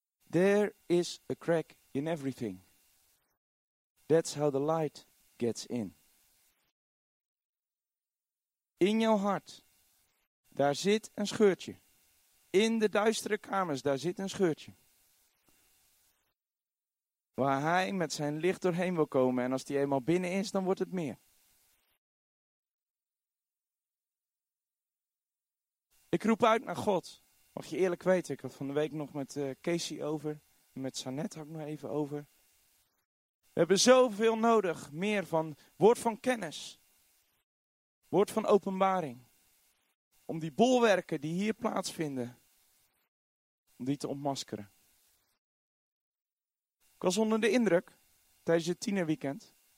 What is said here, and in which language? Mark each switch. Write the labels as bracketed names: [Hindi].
[English] There is a crack in everything. That's how the light gets in. [Dutch] In jouw hart, daar zit een scheurtje. In de duistere kamers, daar zit een scheurtje. Waar hij met zijn licht doorheen wil komen. En als die eenmaal binnen is, dan wordt het meer. Ik roep uit naar God. Mag je eerlijk weten, ik had van de week nog met Casey over. Met Sanet had ik nog even over. We hebben zoveel nodig. Meer van woord van kennis. Woord van openbaring. Om die bolwerken die hier plaatsvinden. Om die te ontmaskeren. Ik was onder de indruk. Tijdens het tienerweekend.